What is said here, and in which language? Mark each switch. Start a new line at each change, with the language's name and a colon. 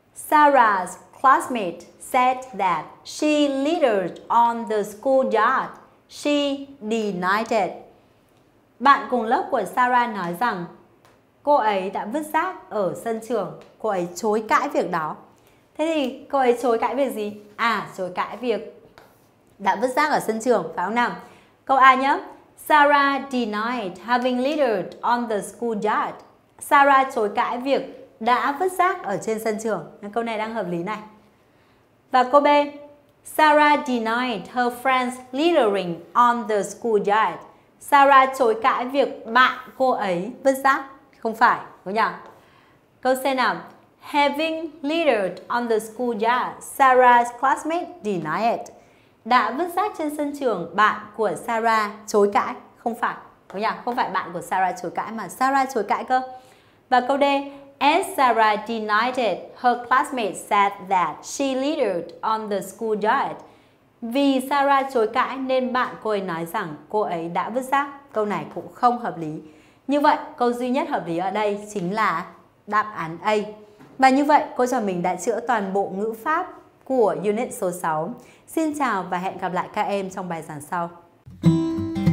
English: Sarah's classmate said that she littered on the school yard. She denied it.
Vietnamese: Bạn cùng lớp của Sarah nói rằng cô ấy đã vứt rác ở sân trường. Cô ấy chối cãi việc đó. Thế thì cô ấy chối cãi việc gì? À, chối cãi việc đã vứt rác ở sân trường, phải không nào? Câu A nhé.
English: Sarah denied having littered on the school yard.
Vietnamese: Sarah chối cãi việc đã vứt rác ở trên sân trường. Nên câu này đang hợp lý này. Và câu B.
English: Sarah denied her friends littering on the school yard.
Vietnamese: Sarah chối cãi việc bạn cô ấy vứt rác. Không phải, đúng không? Câu C nào.
English: Having littered on the school yard, Sarah's classmate denied it.
Vietnamese: Đã vứt rác trên sân trường, bạn của Sarah chối cãi. Không phải, đúng không? Không phải bạn của Sarah chối cãi mà Sarah chối cãi cơ. Và câu D.
English: As Sarah denied it, her classmate said that she littered on the school yard.
Vietnamese: Vì Sarah chối cãi nên bạn cô ấy nói rằng cô ấy đã vứt rác. Câu này cũng không hợp lý. Như vậy, câu duy nhất hợp lý ở đây chính là đáp án A. Và như vậy, cô trò mình đã chữa toàn bộ ngữ pháp của unit số 6. Xin chào và hẹn gặp lại các em trong bài giảng sau.